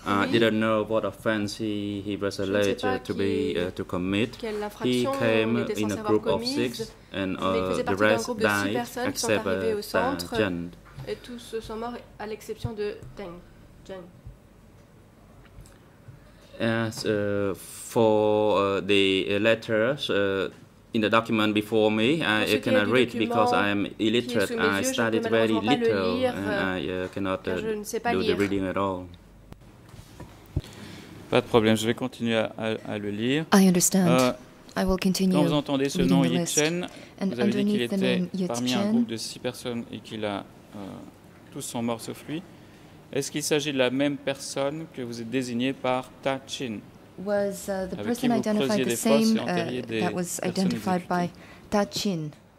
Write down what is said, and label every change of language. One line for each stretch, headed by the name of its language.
English: Didn't know what offense he was alleged to be to commit. He came in a group of six, and the rest died except Jen.
French: Et tous sont morts à l'exception de Deng.
English: Jen. As for the letters in the document before me, I cannot read because I am illiterate. I studied very little, and I cannot do the reading at all.
French: Pas de problème, je vais continuer à le lire.
English: I understand. I will continue.
French: Quand vous entendez ce nom Yip Chen, vous avez dit qu'il était parmi un groupe de six personnes et qu'il a tous sont morts sauf lui. Est-ce qu'il s'agit de la même personne que vous êtes désigné par Ta Chin?
English: was the person identified the same that was identified by Ta Chin.